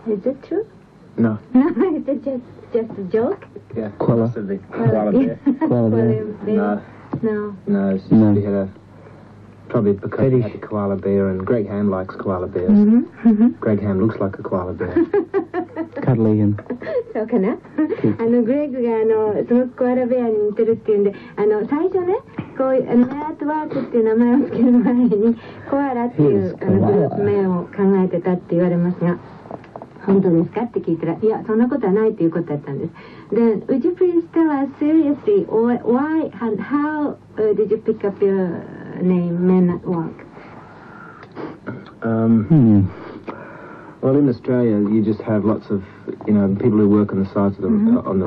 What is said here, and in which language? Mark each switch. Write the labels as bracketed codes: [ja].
[en] Is it true? No. No, is it just a joke? Yeah. Koala. Koala bear. Koala bear. No. It's just we had a... Probably because we had a koala bear, and Greg Ham likes koala bears. Mm-hmm. Mm-hmm. Greg Ham looks like a koala bear. Cuddly and... [ja] そうかな。 Greg がすごくコアラベアに似てるっていうんで、最初ね、こういうメアートワークっていう名前をつける前に、コアラっていうグループ名を考えてたって言われますが、本当ですかって聞いたら、いや、そんなことはないということだったんです。 [en] Then, would you please tell us seriously, why and how did you pick up your name, Men at Work? Well, in Australia, you just have lots of, you know, people who work on the sides of the, on the road.